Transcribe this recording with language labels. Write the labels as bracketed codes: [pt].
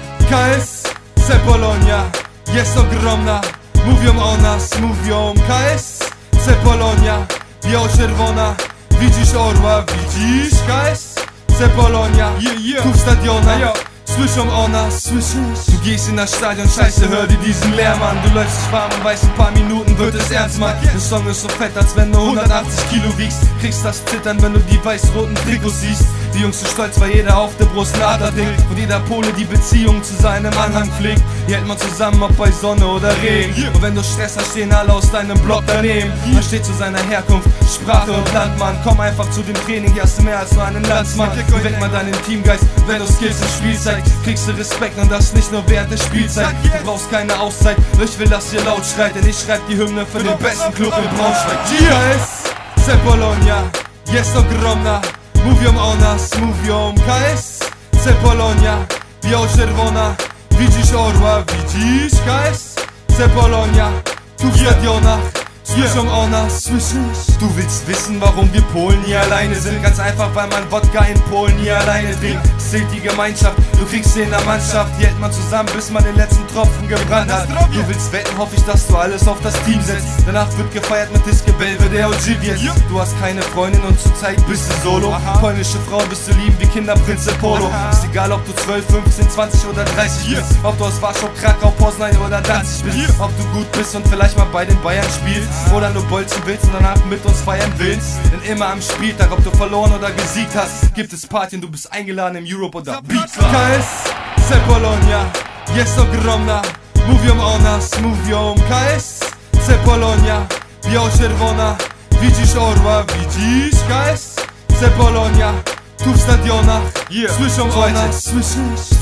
[pl] KSC Polonia jest ogromna. Mówią o nas, mówią KSC Polonia. Biało-czerwona, widzisz orła, widzisz KSC Polonia. Tu w stadionach słyszą o nas, słyszysz? [de] Gehst in das Stadion, scheiße, hör dir diesen Lärm an. Du läufst schwarm und weißt, ein paar Minuten wird es ernst, Mann. Der Song ist so fett, als wenn du 180 Kilo wiegst. Kriegst das Zittern, wenn du die weiß-roten Trikots siehst. Die Jungs sind stolz, weil jeder auf der Brust ein Adler-Ding. Und jeder Pole die Beziehung zu seinem Anhang pflegt. Hier hält man zusammen, ob bei Sonne oder Regen. Und wenn du Stress hast, stehen alle aus deinem Block daneben. Man steht zu seiner Herkunft, Sprache und Landmann. Komm einfach zu dem Training, hier hast du mehr als nur einen Landsmann. Weck mal deinen Teamgeist, wenn du Skills im Spiel zeigst. Kriegst du Respekt und das nicht nur während der Spielzeit. Du brauchst keine Auszeit, ich will, dass ihr laut schreit. Denn ich schreib die Hymne für den besten Club in Braunschweig. [pl] KSC Polonia jest ogromna. Mówią o nas, mówią KSC Polonia. Biało-czerwona, widzisz orła, widzisz KSC Polonia. Tu w stadionach słyszą o nas, słyszysz? [de] Du willst wissen, warum wir Polen nie alleine sind? Ganz einfach, weil man Wodka in Polen nie alleine trinkt. Zählt die Gemeinschaft, du kriegst sie in der Mannschaft. Hält man zusammen, bis man den letzten Tropfen gebrannt hat. Du willst wetten, hoffe ich, dass du alles auf das Team setzt. Danach wird gefeiert mit Disco Belvedere und Jivies. Du hast keine Freundin und zurzeit bist du solo. Polnische Frauen bist du lieben wie Kinder Prinz Polo. Ist egal, ob du 12, 15, 20 oder 30 bist. Ob du aus Warschau, Krakau, Poznań oder Danzig bist. Ob du gut bist und vielleicht mal bei den Bayern spielst. Oder nur bolzen willst und danach mit uns feiern willst. Denn immer am Spieltag, ob du verloren oder gesiegt hast, gibt es Party und du bist eingeladen im Europe oder Beats. [pl] KSC Polonia jest ogromna. Mówią o nas, mówią KSC Polonia. Biało-czerwona, widzisz orła, widzisz KSC Polonia. Tu w stadionach słyszą o nas, słyszysz?